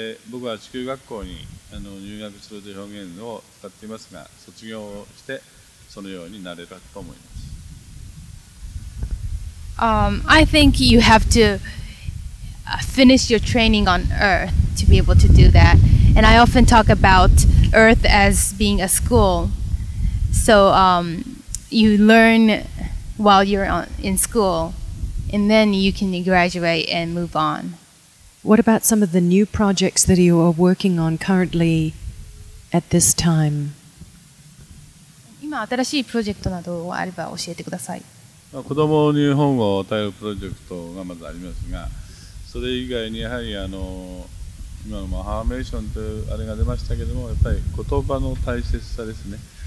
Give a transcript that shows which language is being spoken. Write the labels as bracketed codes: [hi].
[ja] 僕は地球学校に入学するという表現を使っていますが、卒業をしてそのようになれたと思います。 [en] I think you have to finish your training on Earth to be able to do that. And I often talk about Earth as being a school. So you learn while you're in school, and then you can graduate and move on. What about some of the new projects that you are working on currently at this time? [ja] 今新しいプロジェクトなどあれば教えてください。子供に本を与えるプロジェクトがまずありますが、それ以外にやはり今のアファーメーションというあれが出ましたけれども、やっぱり言葉の大切さですね。